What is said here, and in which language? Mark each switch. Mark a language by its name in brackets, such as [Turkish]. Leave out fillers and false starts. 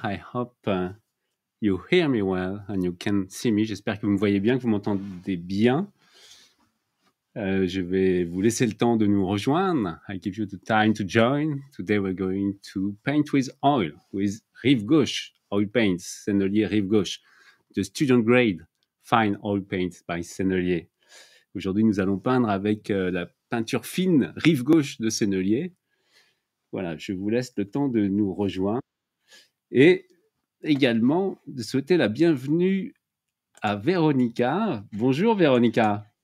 [English] I hope you hear me well and you can see me. [French] J'espère que vous me voyez bien, que vous m'entendez bien. Je vais vous laisser le temps de nous rejoindre. [English] I give you the time to join. Today we're going to paint with oil, with Rive Gauche oil paints, Sennelier Rive Gauche, the student grade fine oil paints by Sennelier. [French] Aujourd'hui, nous allons peindre avec la peinture fine Rive Gauche de Sennelier. Voilà, je vous laisse le temps de nous rejoindre et également de souhaiter la bienvenue à Véronica. Bonjour Véronica.